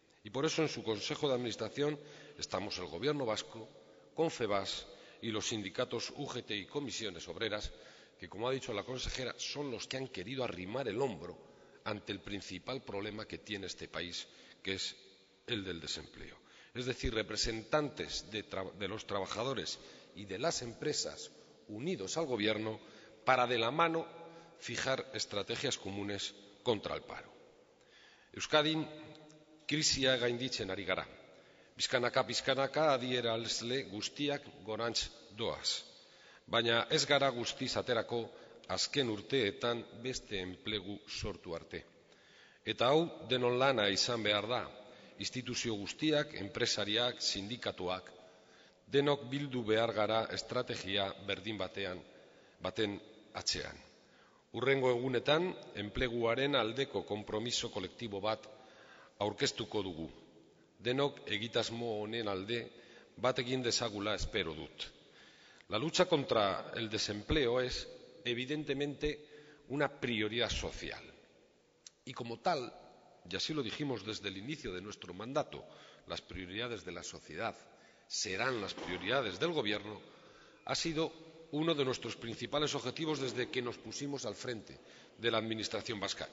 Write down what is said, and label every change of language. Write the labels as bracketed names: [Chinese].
[Spanish] Y por eso en su Consejo de Administración estamos el Gobierno Vasco, Confebas y los sindicatos UGT y Comisiones Obreras, que, como ha dicho la consejera, son los que han querido arrimar el hombro ante el principal problema que tiene este país, que es el del desempleo. Es decir, representantes de los trabajadores y de las empresas unidos al Gobierno para, de la mano, fijar estrategias comunes contra el paro. [Basque] Euskadin krisia gainditzen ari gara. Bizkanaka adierazle guztiak gorantz doaz. Baina ez gara guztiz aterako azken urteetan beste enplegu sortu arte. Eta hau denon lana izan behar da. Instituzio guztiak, enpresariak, sindikatuak, denok bildu behar gara estrategia berdin baten atzean. Urrengo egunetan, enpleguaren aldeko konpromiso kolektibo bat aurkeztuko dugu. Denok egitasmo honen alde bat egin dezagula espero dut. [Spanish] La lucha contra el desempleo es, evidentemente, una prioridad social. Y como tal, y así lo dijimos desde el inicio de nuestro mandato, las prioridades de la sociedad serán las prioridades del Gobierno, ha sido uno de nuestros principales objetivos desde que nos pusimos al frente de la Administración vasca.